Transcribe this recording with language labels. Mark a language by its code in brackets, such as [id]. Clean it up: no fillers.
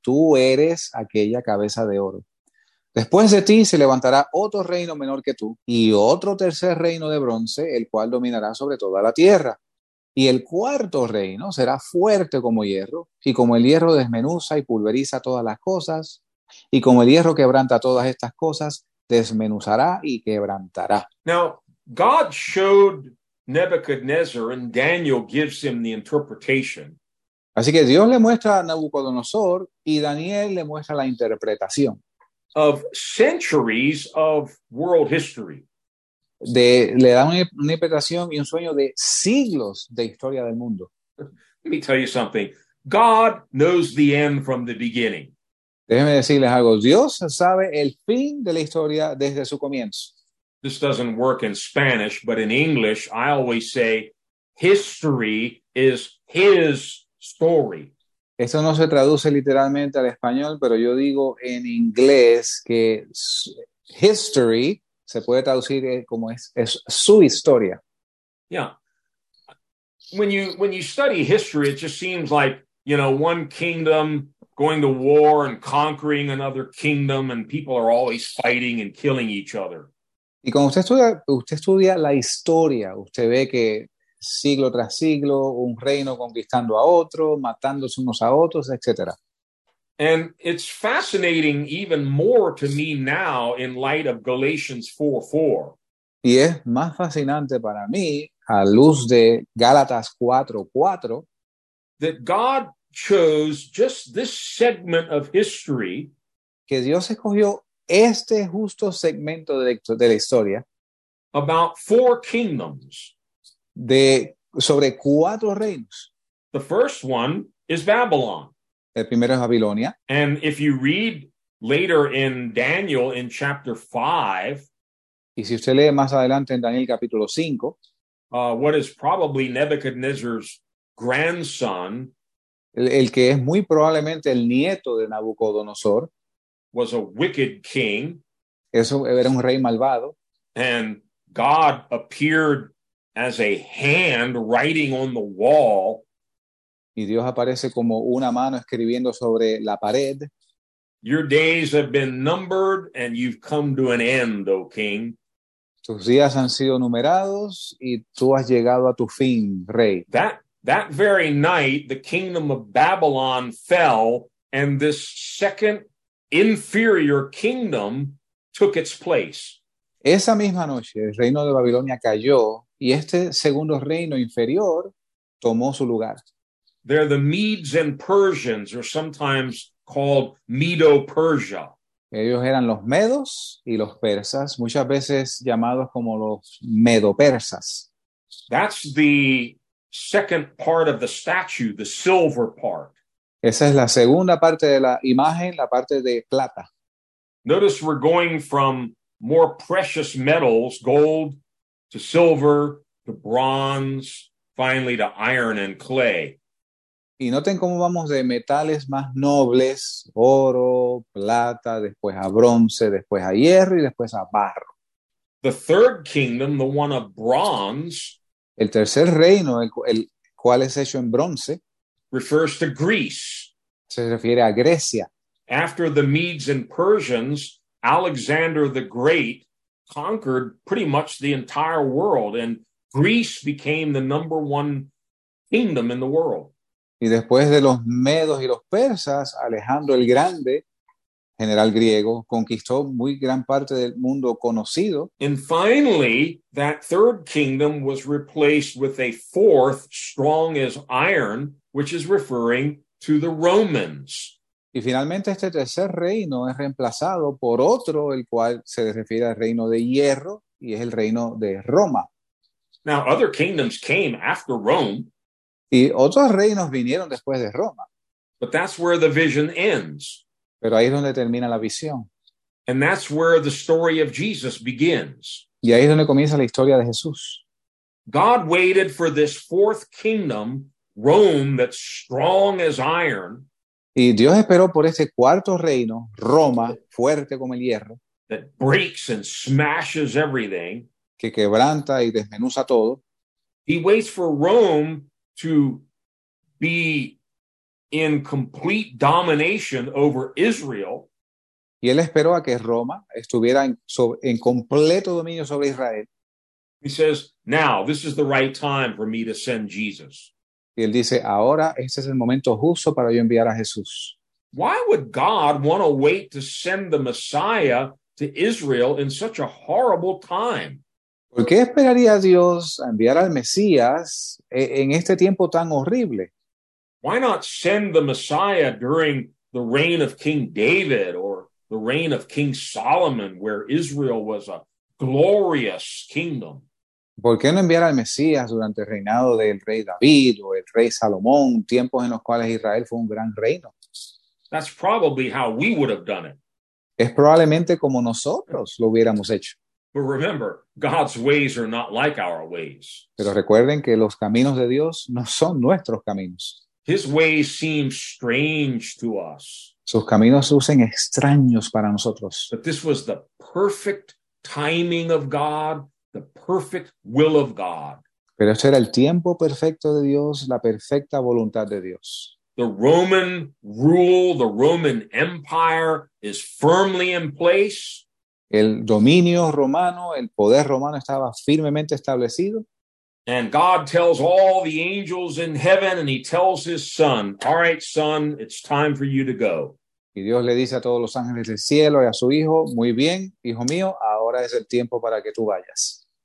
[es] Tú eres aquella cabeza de oro. Después de ti se levantará otro reino menor que tú y otro tercer reino de bronce, el cual dominará sobre toda la tierra. Y el cuarto reino será fuerte como hierro y como el hierro desmenuza y pulveriza todas las cosas y como el hierro quebranta todas estas cosas, desmenuzará y quebrantará. [en] Now, God showed Nebuchadnezzar and Daniel gives him the interpretation. [es] Así que Dios le muestra a Nabucodonosor y Daniel le muestra la interpretación. [en] Of centuries of world history. [es] Le da una interpretación y un sueño de siglos de historia del mundo. [en] Let me tell you something. God knows the end from the beginning. [es] Déjeme decirles algo. Dios sabe el fin de la historia desde su comienzo. [en] This doesn't work in Spanish, but in English, I always say, history is his story. [es] Esto no se traduce literalmente al español, pero yo digo en inglés que history se puede traducir como es su historia. Yeah. [en] When you study history, it just seems like, you know, one kingdom going to war and conquering another kingdom and people are always fighting and killing each other. [es] Y cuando usted estudia la historia, usted ve que siglo tras siglo, un reino conquistando a otro, matándose unos a otros, etc. [en] And it's fascinating even more to me now in light of Galatians 4:4. [es] Y es más fascinante para mí, a luz de Gálatas 4:4, [en] that God chose just this segment of history, [es] que Dios escogió este justo segmento de la historia, [en] about four kingdoms. [es] Sobre cuatro reinos. [en] The first one is Babylon. [es] El primero es Babilonia. [en] And if you read later in Daniel in chapter 5, [es] y si usted lee más adelante en Daniel capítulo 5, [en] what is probably Nebuchadnezzar's grandson, [es] el que es muy probablemente el nieto de Nabucodonosor, [en] was a wicked king. [es] Eso era un rey malvado. [en] And God appeared as a hand writing on the wall. [es] Y Dios aparece como una mano escribiendo sobre la pared. [en] Your days have been numbered and you've come to an end, O King. [es] Tus días han sido numerados y tú has llegado a tu fin, rey. [en] That very night, the kingdom of Babylon fell and this second inferior kingdom took its place. [es] Esa misma noche, el reino de Babilonia cayó y este segundo reino inferior tomó su lugar. [en] They're the Medes and Persians, or sometimes called Medo-Persia. [es] Ellos eran los Medos y los Persas, muchas veces llamados como los Medo-Persas. [en] That's the second part of the statue, the silver part. [es] Esa es la segunda parte de la imagen, la parte de plata. [en] Notice we're going from more precious metals, gold, to silver, to bronze, finally to iron and clay. [es] Y noten cómo vamos de metales más nobles, oro, plata, después a bronce, después a hierro y después a barro. [en] The third kingdom, the one of bronze, [es] el tercer reino, el cual es hecho en bronce, [en] refers to Greece. [es] Se refiere a Grecia. [en] After the Medes and Persians, Alexander the Great conquered pretty much the entire world, and Greece became the number one kingdom in the world. [es] Y después de los Medos y los Persas, Alejandro el Grande, general griego, conquistó muy gran parte del mundo conocido. [en] And finally, that third kingdom was replaced with a fourth, strong as iron, which is referring to the Romans. [es] Y finalmente este tercer reino es reemplazado por otro, el cual se refiere al reino de hierro, y es el reino de Roma. [en] Now, other kingdoms came after Rome. [es] Y otros reinos vinieron después de Roma. [en] But that's where the vision ends. [es] Pero ahí es donde termina la visión. [en] And that's where the story of Jesus begins. [es] Y ahí es donde comienza la historia de Jesús. [en] God waited for this fourth kingdom, Rome, that's strong as iron. [es] Y Dios esperó por este cuarto reino, Roma, fuerte como el hierro. [en] That breaks and smashes everything. [es] Que quebranta y desmenuza todo. [en] He waits for Rome to be in complete domination over Israel. [es] Y él esperó a que Roma estuviera en completo dominio sobre Israel. [en] He says, now, this is the right time for me to send Jesus. [es] Y él dice, ahora este es el momento justo para yo enviar a Jesús. [en] Why would God want to wait to send the Messiah to Israel in such a horrible time? [es] ¿Por qué esperaría Dios a enviar al Mesías en este tiempo tan horrible? [en] Why not send the Messiah during the reign of King David or the reign of King Solomon, where Israel was a glorious kingdom? [es] ¿Por qué no enviar al Mesías durante el reinado del rey David o el rey Salomón, tiempos en los cuales Israel fue un gran reino? [en] That's probably how we would have done it. [es] Es probablemente como nosotros lo hubiéramos hecho. [en] But remember, God's ways are not like our ways. [es] Pero recuerden que los caminos de Dios no son nuestros caminos. [en] His ways seem strange to us. [es] Sus caminos lucen extraños para nosotros. [en] But this was the perfect timing of God, the perfect will of God. [es] Pero este era el tiempo perfecto de Dios, la perfecta voluntad de Dios. [en] The Roman rule, the Roman Empire is firmly in place. [es] El dominio romano, el poder romano estaba firmemente establecido. [en] And God tells all the angels in heaven and he tells his son, all right, son, it's time for you to go. [es] Y Dios le dice a todos los ángeles del cielo y a su hijo, muy bien, hijo mío, ahora es el tiempo para que tú vayas.